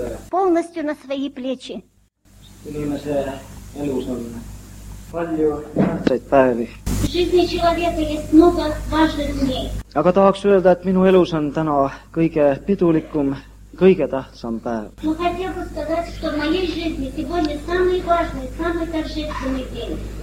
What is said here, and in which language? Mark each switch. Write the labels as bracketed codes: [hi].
[ru] Полностью на свои плечи. [et] Inimese elus on palju päevi. [ru] В жизни человека есть много важных дней. [et] Aga tahaks öelda, et minu elus on täna kõige pidulikum, kõige tähtsam päev. [ru] Ma хотел бы сказать, что в моей жизни сегодня самый важный, самый торжественный день.